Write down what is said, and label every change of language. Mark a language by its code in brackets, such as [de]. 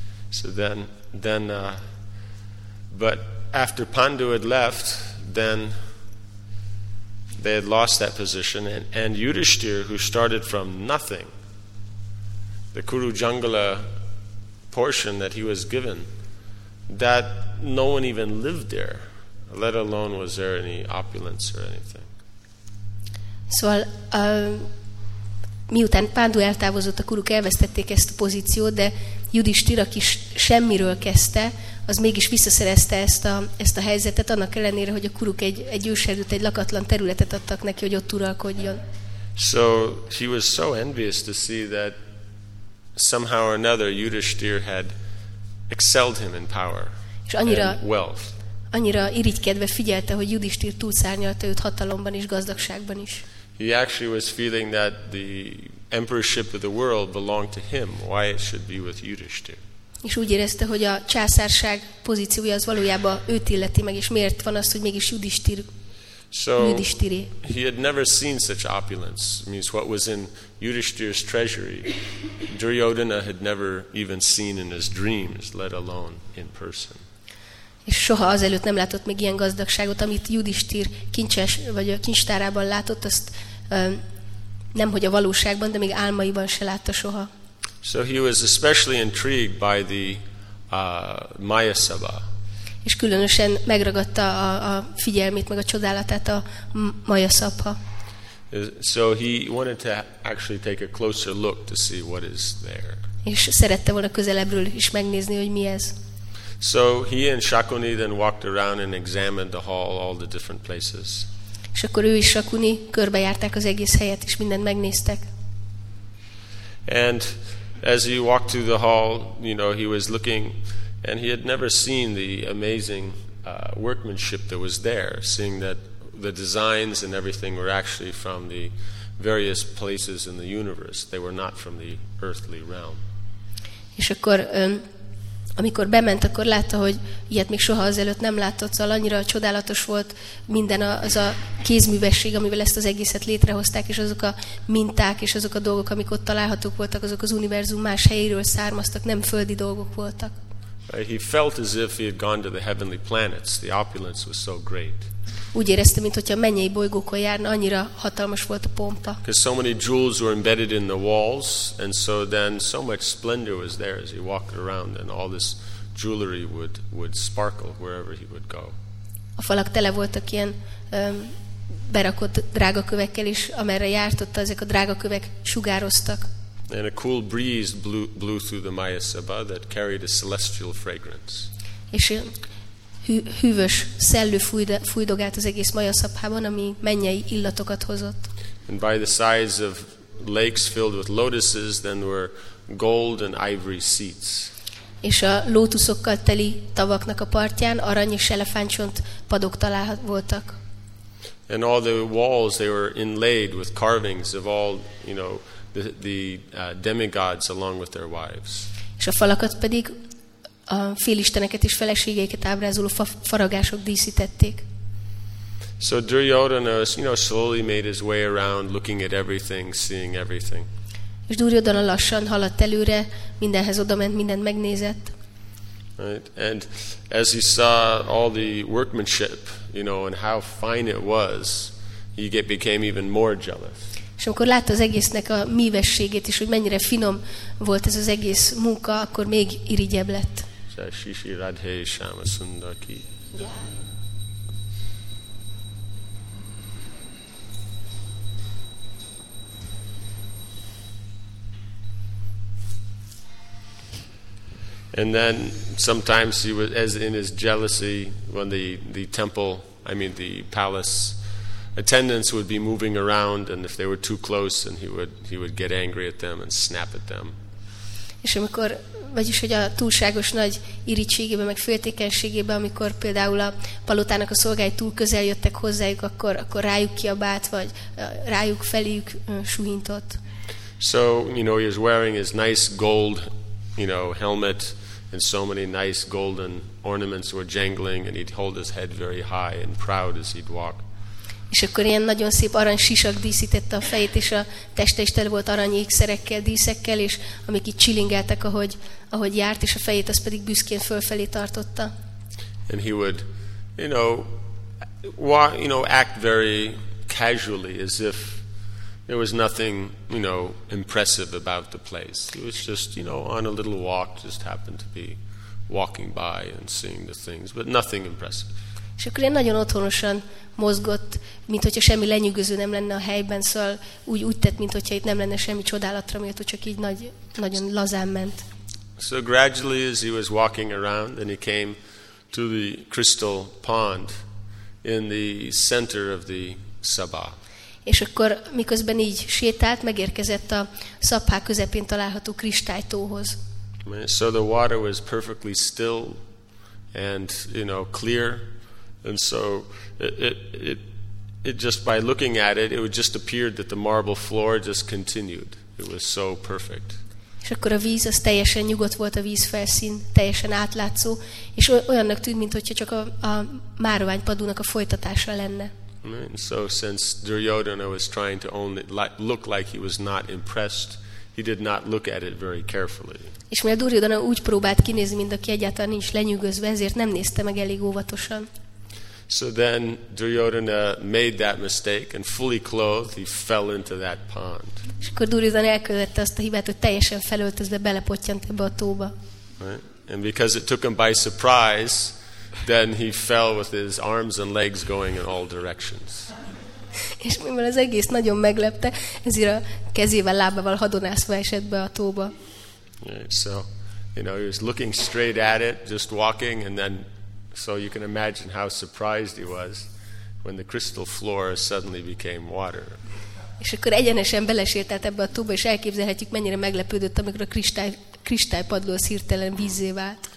[en] So then but after Pandu had left, then they had lost that position, and Yudhisthira, who started from nothing, the Kuru Jungla portion that he was given, that no one even lived there, let alone was there any opulence or anything. So [hu] miután Pándu eltávozott, a kuruk elvesztették ezt a pozíciót, de Judhisthira, aki semmiről kezdte, az mégis visszaszerezte ezt a helyzetet, annak ellenére, hogy a kuruk egy őserdőt, egy lakatlan területet adtak neki, hogy ott uralkodjon. [en] So she was so envious to see that somehow or another Yudhishthira had excelled him in power and wealth. [hu] Annyira irigykedve figyelte, hogy Yudhishthira túlszárnyalta őt hatalomban és gazdagságban is. [en] He actually was feeling that the emperorship of the world belonged to him. Why it should be with Yudhishthira? [hu] És úgy érezte, hogy a császárság pozíciója az valójában őt illeti meg, és miért van az, hogy mégis Yudhishthira? [en] So he had never seen such opulence. It means what was in Yudhishthira's treasury, Duryodhana had never even seen in his dreams, let alone in person. [hu] És soha azelőtt nem látott még ilyen gazdagságot, amit Yudhishthira kincses vagy a kincstárában látott, azt nem hogy a valóságban, de még álmaiban se látta soha. [en] So he was especially intrigued by the Maya Sabha. [hu] És különösen megragadta a figyelmét, meg a csodálatát a Maya Sabha. [en] So he wanted to actually take a closer look to see what is there. [hu] És szerette volna közelebbről is megnézni, hogy mi ez. [en] So he and Shakuni then walked around and examined the hall, all the different places. [hu] És akkor ő és Shakuni körbejárták az egész helyet, és mindent megnéztek. [en] And as he walked through the hall, you know, he was looking, and he had never seen the amazing workmanship that was there, seeing that the designs and everything were actually from the various places in the universe. They were not from the earthly realm. [hu] És akkor amikor bement, akkor látta, hogy ilyet még soha azelőtt nem látott, szóval annyira csodálatos volt minden az a kézművesség, amivel ezt az egészet létrehozták, és azok a minták, és azok a dolgok, amik ott találhatók voltak, azok az univerzum más helyéről származtak, nem földi dolgok voltak. [en] He felt as if he had gone to the heavenly planets. The opulence was so great. [hu] Úgy érezte, mintha a mennyei bolygókon járna, annyira hatalmas volt a pompa. [en] Because so many jewels were embedded in the walls, and so then so much splendor was there as he walked around, and all this jewelry would sparkle wherever he would go. [hu] A falak tele voltak ilyen berakott drágakövekkel is, amerre járt, ott ezek a drágakövek sugároztak. [en] And a cool breeze blew through the Maya Sabha that carried a celestial fragrance. [hu] És hűvös szellő fújdogált az egész Maya Sabhában, ami mennyei illatokat hozott. [en] And by the sides of lakes filled with lotuses, then were gold and ivory seats. [hu] És a lótuszokkal teli tavaknak a partján arany és elefántcsont padok találhat voltak. [en] And all the walls, they were inlaid with carvings of all, you know, the demigods along with their wives. [hu] És a falakat pedig a félisteneket és feleségeiket ábrázoló faragások díszítették. [en] So Duryodhana, you know, slowly made his way around, looking at everything, seeing everything. [hu] És Duryodhana lassan haladt előre, mindenhez odament, mindent megnézett. [en] Right? And as he saw all the workmanship, you know, and how fine it was, he became even more jealous. [hu] És amikor látta az egésznek a mívességét is, hogy mennyire finom volt ez az egész munka, akkor még irigyebb lett. Shishi Radhe Shama Sundaki. [en] And then sometimes he was, as in his jealousy, when the palace attendants would be moving around, and if they were too close, and he would get angry at them and snap at them. [hu] És amikor, vagyis hogy a túlságos nagy irigységében, meg féltékenységében, amikor például a palotának a szolgái túl közel jöttek hozzájuk, akkor rájuk kiabált, vagy rájuk feléjük suhintott. [en] So, you know, he was wearing his nice gold, you know, helmet, and so many nice golden ornaments were jangling, and he'd hold his head very high and proud as he'd walk. [hu] És akkor ilyen nagyon szép arany sisak díszítette a fejét, és a teste is tele volt arany ékszerekkel, díszekkel, és amik így csilingeltek, ahogy járt, és a fejét az pedig büszkén fölfelé tartotta. [en] And he would, you know, act very casually, as if there was nothing, you know, impressive about the place. He was just, you know, on a little walk, just happened to be walking by and seeing the things, but nothing impressive. [hu] És akkor ilyen nagyon otthonosan mozgott, mint hogyha semmi lenyűgöző nem lenne a helyben, szóval úgy tett, mint hogyha itt nem lenne semmi csodálatra méltó, csak így nagyon lazán ment. [en] So gradually as he was walking around, then he came to the crystal pond in the center of the Sabha. [hu] És akkor miközben így sétált, megérkezett a Sabha közepén található kristálytóhoz. [en] So the water was perfectly still and, you know, clear. And so it just by looking at it, it would just appeared that the marble floor just continued. It was so perfect. [hu] És akkor a víz, az teljesen nyugodt volt a vízfelszín, teljesen átlátszó, és olyannak tűnt, mintha csak a márványpadúnak a folytatása lenne. [en] And so since Duryodhana was trying to own it, look like he was not impressed, he did not look at it very carefully. [hu] És mivel Duryodhana úgy próbált kinézni, mint aki egyáltalán nincs lenyűgözve, ezért nem nézte meg elég óvatosan. [en] So then Duryodhana made that mistake and fully clothed he fell into that pond. [hu] És akkor Duryodhana elkövette azt a hibát, hogy teljesen felöltözve belepottyant ebbe a tóba. [en] Right? And because it took him by surprise, then he fell with his arms and legs going in all directions. [hu] És mivel az egész nagyon meglepte, ezért a kezével, lábával hadonászva esett be a tóba. [en] Right. So, you know, he was looking straight at it, just walking, and then so you can imagine how surprised he was when the crystal floor suddenly became water. [hu] És akkor egyenesen belesétált ebbe a tóba, és elképzelhetjük, mennyire meglepődött, amikor a kristálypadló hirtelen vízzé vált.